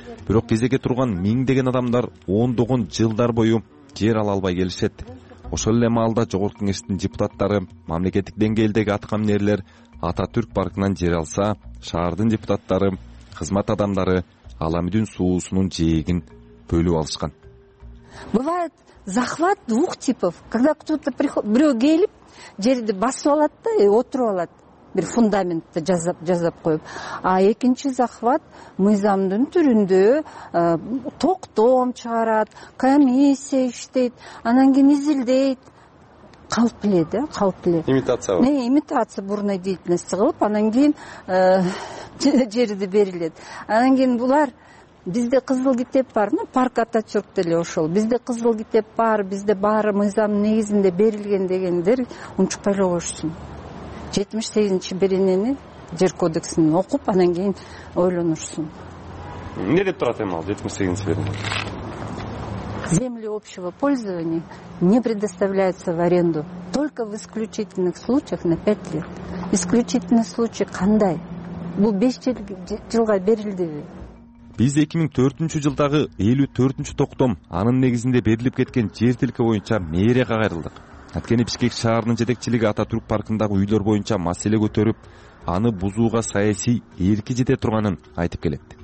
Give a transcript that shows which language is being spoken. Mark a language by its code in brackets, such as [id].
[ky] Бирок кезеге турган миңдеген адамдар ондогон жылдар бою жер ала албай келишет. Ошол эле маалда Жогорку Кеңештин депутаттары, мамлекеттик деңгээлдеги аткаминерлер Ататүрк паркынан жер алса, шаардын депутаттары, кызмат адамдары Аламидүн суусунун жээгин бөлүп алышкан. [ru] Бывает захват двух типов. Когда кто-то приходит, [ky] бирөө келип жерди басып алат да, отуруп алат. Бир фундаментти жазап коюп. А экинчи захват мыйзамдын түрүндө токтом чыгарат, комиссия иштейт, анан кийин изилдейт. Калп эле да, калп эле. Имитация. [ru] Имитация бурной деятельности [ky] кылып, анан кийин жерди берилет. Анан кийин булар бизде кызыл китеп бар, парк Ататүрк деле ошол. Бизде кызыл китеп бар, бизде баары мыйзамдын негизинде берилген дегендер унчукпай эле коюшсун. 78-чи беренени жер кодексинен окуп, анан кийин ойлонушсун. Эмне деп турат эми ал 78-чи берене? [ru] Земля. земли общего пользования не предоставляются в аренду только в исключительных случаях на 5 лет. [ky] Исключительный случай кандай? Бу 5 жылга берилдиби? Биз 2004 жылдагы 54-нчү токтом анын негизинде берилип кеткен жер тилки боюнча мэрия кайрылды. Анткени Бишкек шаарынын жетекчилиги Ататүрк паркындагы үйлөр боюнча маселе көтөрүп, аны бузууга саясий эрки жете турганын айтып келет.